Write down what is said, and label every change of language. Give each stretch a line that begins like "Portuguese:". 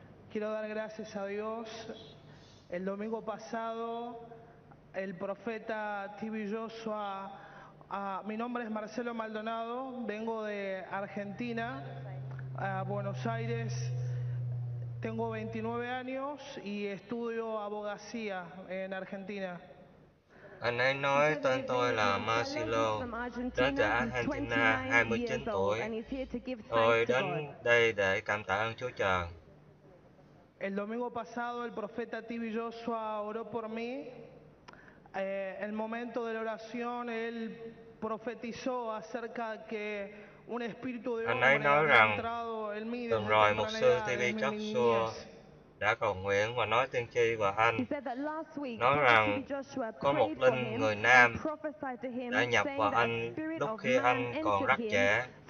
Spanish: Quiero dar gracias a Dios. El domingo pasado, el profeta TV Joshua, mi nombre es Marcelo Maldonado, vengo de Argentina, a Buenos Aires. Tengo 29 años y estudio abogacía en Argentina.
Vietnamese: Anh ấy nói tên tôi là Marcelo, đến từ Argentina, 29 tuổi. Tôi đến đây để cảm tạ ơn Chúa Trời.
Spanish: El domingo pasado el profeta TV Joshua oró por mí. El momento de la oración él profetizó acerca que un espíritu de hombre había entrado en mí.
Vietnamese: Từng rồi mục sư TV Joshua đã cầu nguyện và nói tiên tri và anh nói rằng có một linh người nam đã nhập vào anh lúc khi anh còn rất trẻ.